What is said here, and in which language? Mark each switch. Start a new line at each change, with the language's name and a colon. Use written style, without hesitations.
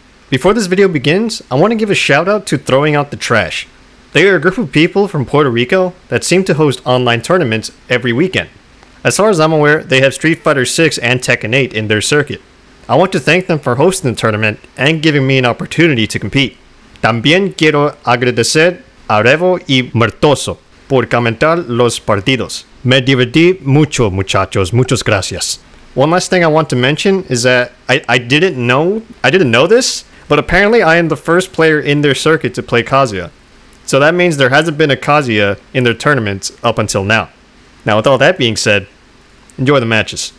English: Before this video begins, I want to give a shout out to Throwing Out the Trash. They are a group of people from Puerto Rico that seem to host online tournaments every weekend. As far as I'm aware, they have Street Fighter 6 and Tekken 8 in their circuit. I want to thank them for hosting the tournament and giving me an opportunity to compete.
Spanish: También quiero agradecer a Revo y Mertoso por comentar los partidos. Me divertí mucho, muchachos. Muchas gracias.
English: One last thing I want to mention is that I didn't know this, but apparently I am the first player in their circuit to play Kazuya. So that means there hasn't been a Kazuya in their tournaments up until now. Now with all that being said, enjoy the matches.